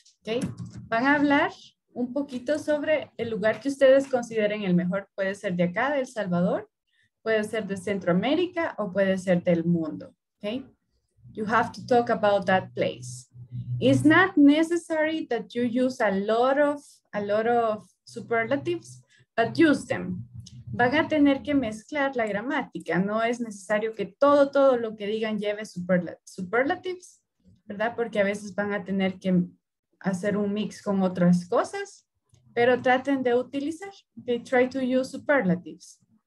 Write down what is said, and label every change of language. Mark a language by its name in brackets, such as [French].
[Spanish] Okay, van a hablar un poquito sobre el lugar que ustedes consideren el mejor. Puede ser de acá, de El Salvador, puede ser de Centroamérica o puede ser del mundo. [English] Okay. You have to talk about that place. It's not necessary that you use a lot of superlatives, but use them. [Spanish] Van a tener que mezclar la gramática. No es necesario que todo lo que digan lleve superlatives, ¿verdad? Porque a veces van a tener que hacer un mix con otras cosas, pero traten de utilizar. [English] Okay, try to use superlatives.